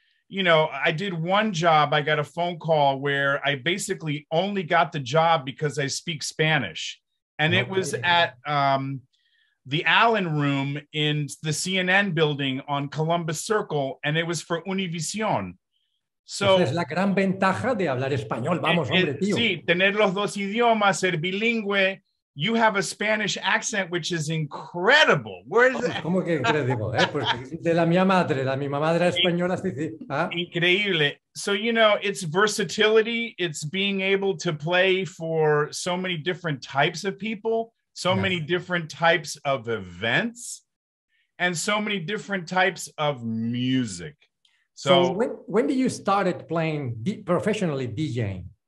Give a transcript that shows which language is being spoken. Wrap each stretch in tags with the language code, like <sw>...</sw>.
<en>You know, I did one job. I got a phone call where I basically only got the job because I speak Spanish. And okay. it was at the Allen Room in the CNN building on Columbus Circle. And it was for Univision. So</en> <es>es la gran ventaja de hablar español. Vamos, hombre, tío. Sí, tener los dos idiomas, ser bilingüe.</es> <en>You have a Spanish accent, which is incredible. Where is that?</en> <es>¿Cómo que incredible? De la mia madre, la misma madre española. Sí, sí. Increíble.</es> <en>So, you know, it's versatility. It's being able to play for so many different types of people, so yeah. many different types of events, and so many different types of music. So when did you started playing professionally DJing?</en>